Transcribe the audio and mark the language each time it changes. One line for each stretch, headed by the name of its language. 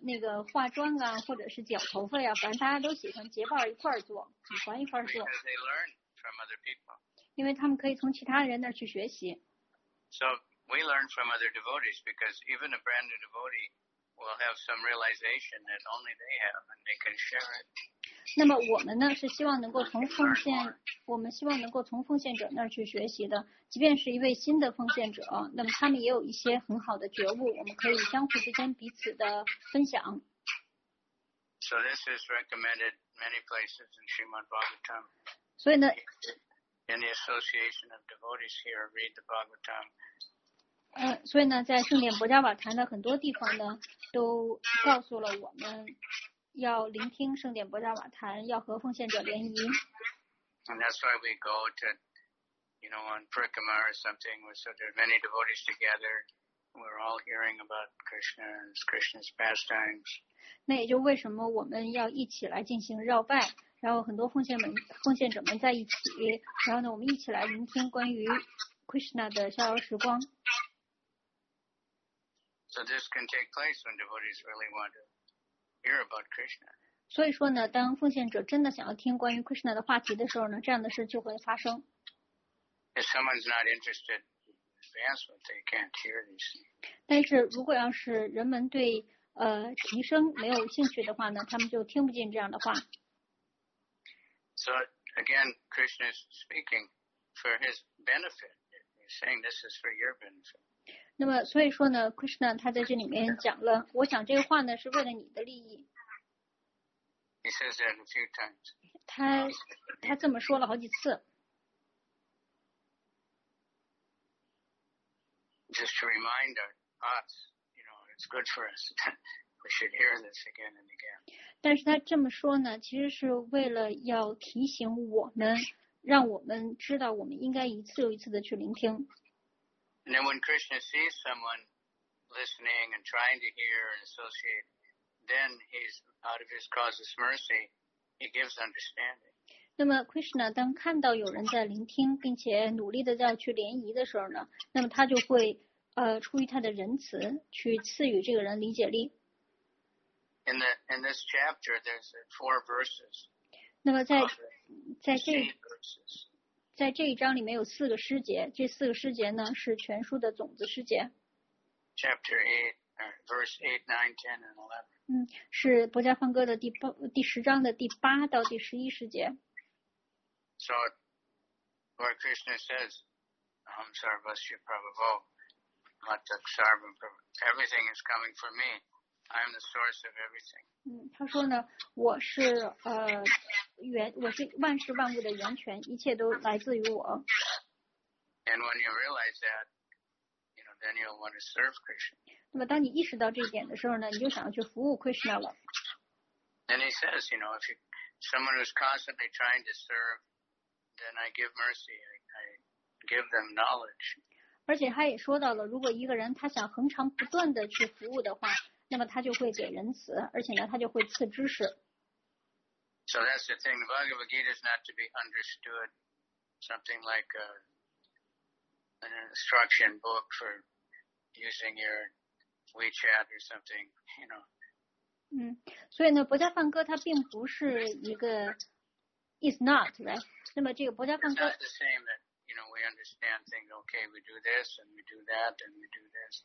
Chinese: 那个化妆啊，或者是剪头发呀、啊，反正大家都喜欢结伴一块儿做，喜欢一块儿做。
English: Because they learn from other people.
Chinese: 因为他们可以从其他人那儿去学习。
English: So we learn from other devotees because even a brand new devotee will have some realization that only they have and they can share it.
Chinese: 那么我们呢是希望能够从奉献。我们希望能够从奉献者那儿去学习的，即便是一位新的奉献者，那么他们也有一些很好的觉悟，我们可以相互之间彼此的分享。
English: So this is recommended many places in Srimad Bhagavatam.
Chinese: 所以呢
English: ，In the association of devotees here, read the Bhagavatam.
Chinese: 所以呢，在圣典薄伽瓦坛的很多地方呢，都告诉了我们要聆听圣典薄伽瓦坛，要和奉献者联谊。
English: And that's why we go to, you know, on Parikrama or something. So there are many devotees together. We're all hearing about Krishna and Krishna's pastimes.
Chinese: 那也就为什么我们要一起来进行绕拜，然后很多奉献者们在一起，然后呢，我们一起来聆听关于 Krishna 的逍遥时光。
English: So this can take place when devotees really want to hear about Krishna.
Chinese: 所以说呢，当奉献者真的想要听关于 Krishna 的话题的时候呢，这样的事就会发生。
English: If someone's not interested, they ask what they can't hear this.
Chinese: 但是如果要是人们对提升没有兴趣的话呢，他们就听不进这样的话。
English: So again, Krishna is speaking for his benefit. He's saying this is for your benefit.
Chinese: 那么所以说呢 ，Krishna 他在这里面讲了，我讲这个话呢是为了你的利益。
English: He says that a few times.
Chinese: 他这么说了好几次。
English: Just a reminder, us, you know, it's good for us. We should hear this again and again.
Chinese: 但是他这么说呢，其实是为了要提醒我们，让我们知道我们应该一次又一次的去聆听。
English: And then when Krishna sees someone listening and trying to hear and associate, then he's out of his causeless mercy, he gives understanding.
Chinese: 那么 Krishna 当看到有人在聆听并且努力的在去联谊的时候呢，那么他就会出于他的仁慈去赐予这个人理解力。
English: In this chapter, there's four verses.
Chinese: 那么在这一章里面有四个诗节，这四个诗节呢是全书的种子诗节。
English: Chapter 8, verse 8, 9, 10, and 11.
Chinese: 是薄伽梵歌的第十章的第八到第十一诗节。
English: So, Lord Krishna says,
Sanskrit: "Aham sarvasya prabhavo, mataka sarvam prabhavo.
English: Everything is coming from me. I am the source of everything."
Chinese: 他说呢，我是我是万事万物的源泉，一切都来自于我。
English: And when you realize that, you know, then you'll want to serve Krishna.
Chinese: 那么当你意识到这一点的时候呢，你就想要去服务 Krishna 了。
English: And he says, you know, if someone who's constantly trying to serve. Then I give mercy. I give them knowledge.
Chinese: 而且他也说到了，如果一个人他想恒常不断的去服务的话，那么他就会给仁慈，而且呢，他就会赐知识。
English: So that's the thing. The Bhagavad Gita is not to be understood, something like an instruction book for using your WeChat or something, you know.
Chinese: 所以呢，薄伽梵歌它并不是一个。
English: It's not, right?
Chinese: 那么这个薄伽梵歌
English: It's not the same that, you know, we understand things, okay, we do this, and we do that, and we do this.